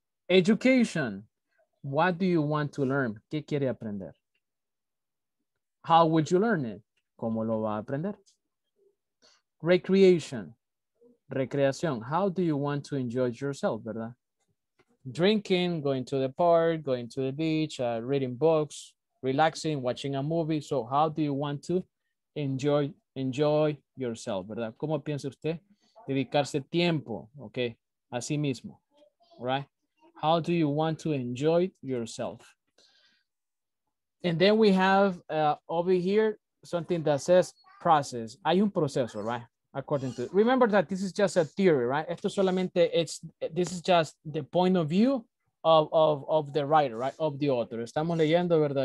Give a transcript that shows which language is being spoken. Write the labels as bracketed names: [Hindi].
[English] Education, what do you want to learn? [Spanish] ¿Qué quiere aprender? [English] How would you learn it? [Spanish] ¿Cómo lo va a aprender? [English] Recreation, recreación, how do you want to enjoy yourself, ¿verdad? Drinking, going to the park, going to the beach, reading books, relaxing, watching a movie. So how do you want to enjoy yourself, ¿verdad? [Spanish] ¿Cómo piensa usted dedicarse tiempo, okay, a sí mismo, right? [English] How do you want to enjoy yourself? And then we have over here something that says process. [Spanish] Hay un proceso, [English] right? According to, remember that this is just a theory, right? [Spanish] Esto solamente, [English] this is just the point of view of the writer, right? Of the author. [Spanish] Estamos leyendo, ¿verdad?